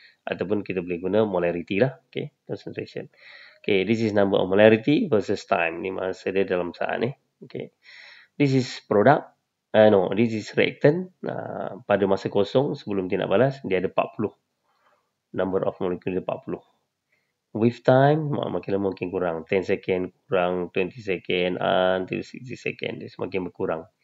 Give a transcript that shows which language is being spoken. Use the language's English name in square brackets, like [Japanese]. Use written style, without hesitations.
[Malay] Ataupun kita boleh guna molarity lah. [English] Okay, concentration. Okay, this is number of molarity versus time. [Malay] Ni masa dia dalam saat ni. [English] Okay. This is product. This is reactant. [Malay] Pada masa kosong, sebelum dia nak balas, dia ada 40. [English] Number of molecule [Malay] dia 40. [English] With time, [Malay] makin lama makin kurang. 10 second, kurang 20 second, [English] until 60 second. [Malay] Dia semakin berkurang.